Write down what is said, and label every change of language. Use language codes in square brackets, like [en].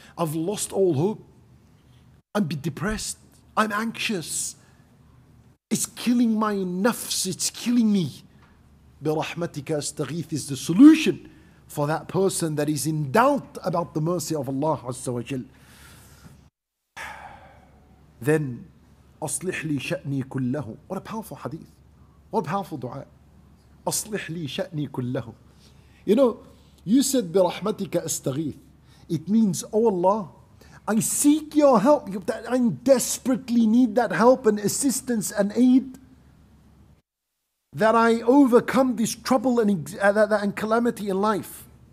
[en] I've lost all hope. I'm depressed. I'm anxious. It's killing my nafs. It's killing me. Birahmatika astaghith is the solution for that person that is in doubt about the mercy of Allah Azza wa Jal. [ar] Then, أصلح لي شأني كله. [en] What a powerful hadith. What a powerful dua. [ar] أصلح لي شأني كله. [en] You know, you said [ar] برحمتك أستغيث. [en] It means, oh Allah, I seek your help. I desperately need that help and assistance and aid, that I overcome this trouble and calamity in life.